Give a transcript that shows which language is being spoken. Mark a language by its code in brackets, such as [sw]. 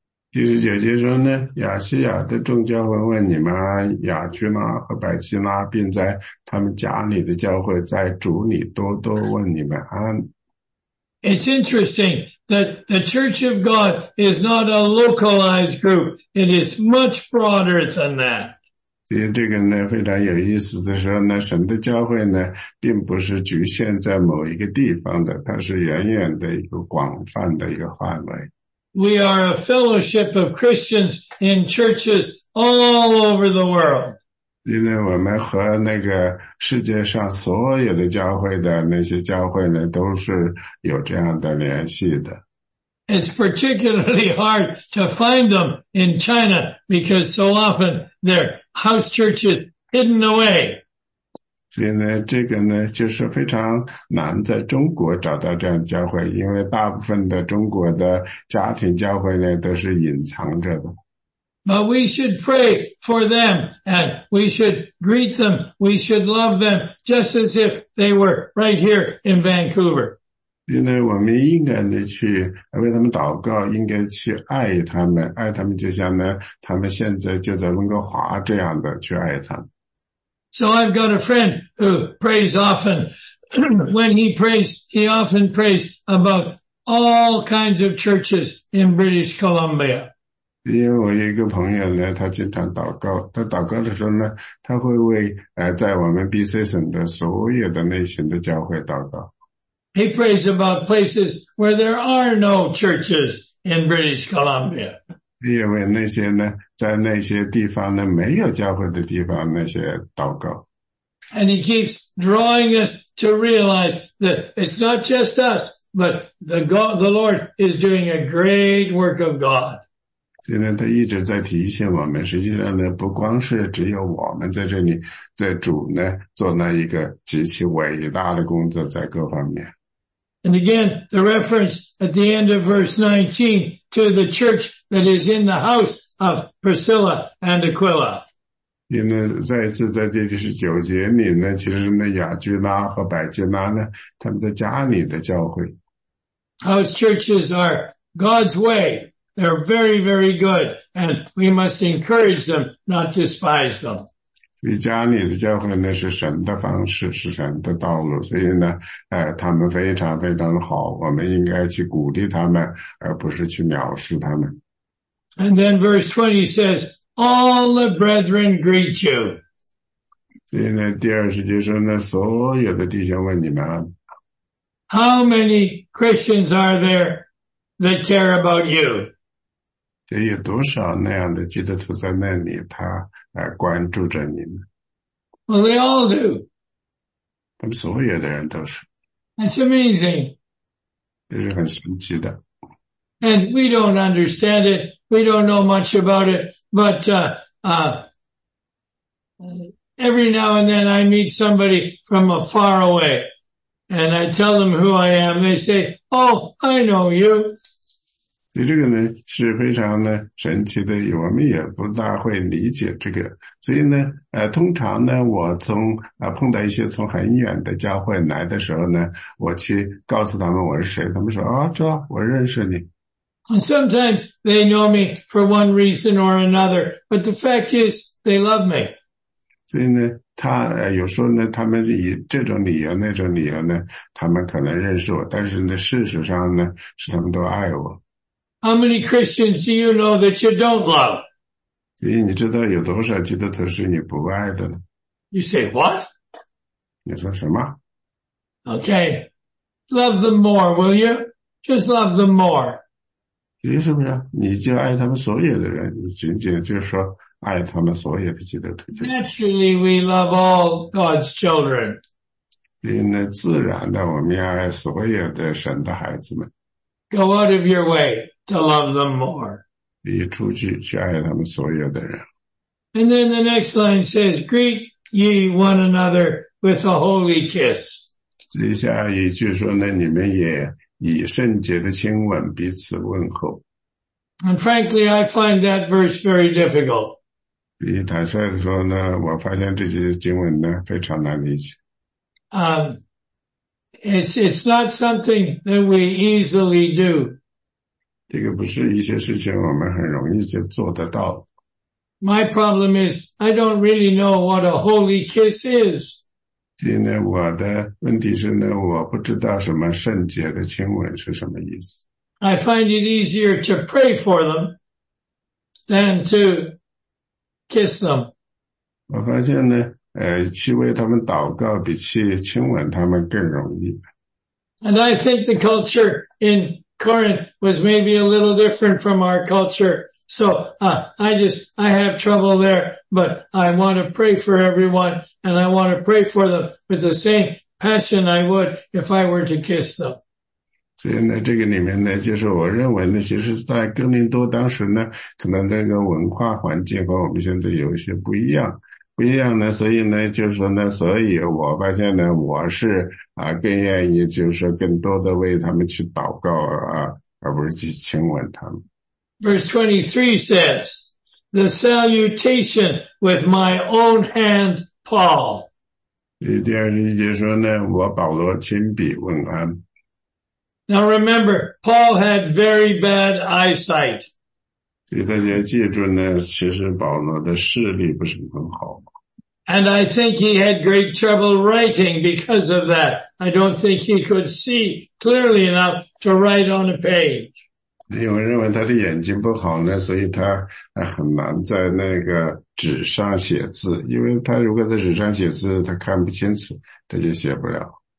[zh] 第十九节说呢亚西亚的众教会问你们亚居拉和百基拉并在他们家里的教会在主里多多问你们安。 [en] It's interesting that the Church of God is not a localized group. It is much broader than that. [zh] 所以这个呢非常有意思的说呢神的教会呢并不是局限在某一个地方的它是远远的一个广泛的一个范围。 [en] We are a fellowship of Christians in churches all over the world. [zh] 因为我们和那个世界上所有的教会的那些教会呢都是有这样的联系的。 [en] It's particularly hard to find them in China because so often their house churches hidden away. [zh] 所以呢这个呢就是非常难在中国找到这样教会因为大部分的中国的家庭教会呢都是隐藏着的。 [en] But we should pray for them and we should greet them, we should love them just as if they were right here in Vancouver. [zh] 因为我们应该呢去为他们祷告应该去爱他们爱他们就像呢他们现在就在温哥华这样的去爱他们。 [en] So I've got a friend who prays often. When he prays, he often prays about all kinds of churches in British Columbia. [zh] 因为我有一个朋友呢，他经常祷告。他祷告的时候呢，他会为在我们 BC 省的所有的类型的教会祷告。 [en] He prays about places where there are no churches in British Columbia. [zh] 因为那些呢在那些地方呢没有教会的地方那些祷告。 [en] And he keeps drawing us to realize that it's not just us, but the Lord is doing a great work of God. [zh] 所以呢他一直在提醒我们实际上呢不光是只有我们在这里在主呢做那一个极其伟大的工作在各方面。 [en] And again, the reference at the end of verse 19 to the church that is in the house of Priscilla and Aquila. [zh] 因为再一次在第19节里呢，其实那亚居拉和百基拉呢，他们在家里的教会。 [en] House churches are God's way. They're very, very good. And we must encourage them, not despise them. [zh] 所以家里的教会呢，是神的方式，是神的道路。所以呢，他们非常非常好，我们应该去鼓励他们，而不是去藐视他们。 [en] And then verse 20 says, all the brethren greet you. [zh] 所以呢，第二十节说呢，所有的弟兄问你们啊。 [en] How many Christians are there that care about you? [zh] 所以有多少那样的基督徒在那里，他关注着你们。 [en] Well, they all do. [zh] 他们所有的人都是。 [en] That's amazing. [zh] 这是很神奇的。 [en] And we don't understand it. We don't know much about it. But, every now and then I meet somebody from a far away. And I tell them who I am. They say, oh, I know you. [zh] 所以这个呢是非常呢神奇的，我们也不大会理解这个。所以呢通常呢我从碰到一些从很远的教会来的时候呢，我去告诉他们我是谁，他们说啊，这我认识你。 [en] And sometimes they know me for one reason or another, but the fact is they love me. [zh] 所以呢他有时候呢他们以这种理由那种理由呢他们可能认识我，但是呢事实上呢是他们都爱我。 [en] How many Christians do you know that you don't love? [zh] 所以你知道有多少基督徒是你不爱的呢？ [en] You say what? [zh] 你说什么？ [en] Okay. Love them more, will you? Just love them more. [zh] 你是不是你就爱他们所有的人，仅仅就是说爱他们所有的基督徒。 [en] Naturally, we love all God's children. [zh] 所以呢自然的我们要爱所有的神的孩子们。 [en] Go out of your way to love them more. [zh] 你出去去爱他们所有的人。 [en] And then the next line says, greet ye one another with a holy kiss. [zh] 所以下一句说呢，你们也以圣洁的亲吻彼此问候。 [en] And frankly, I find that verse very difficult. [zh] 你坦率地说呢，我发现这些经文呢，非常难理解。 [en] It's not something that we easily do. [zh] 这个不是一些事情我们很容易就做得到。 [en] My problem is, I don't really know what a holy kiss is. [zh] 所以呢，我的问题是呢，我不知道什么圣洁的亲吻是什么意思。 [en] I find it easier to pray for them than to kiss them. [zh] 我发现呢，去为他们祷告比去亲吻他们更容易。 [en] And I think the culture in Corinth was maybe a little different from our culture. So, I have trouble there, but I want to pray for everyone and I want to pray for them with the same passion I would if I were to kiss them. [zh] 所以呢这个里面呢就是我认为呢其实在哥林多当时呢可能这个文化环境和我们现在有一些不一样。不一样呢所以呢就是说呢所以我发现呢我是更愿意就是更多的为他们去祷告而不是去亲吻他们。 [en] Verse 23 says, the salutation with my own hand, Paul. [zh] 第二十一节说呢我保罗亲笔问安。 [en] Now remember, Paul had very bad eyesight. [zh] 所以大家记住呢，其实保罗的视力不是很好。 [en] And I think he had great trouble writing because of that. I don't think he could see clearly enough to write on a page. [zh] 因为认为他的眼睛不好呢，所以他很难在那个纸上写字。因为他如果在纸上写字，他看不清楚，他就写不了。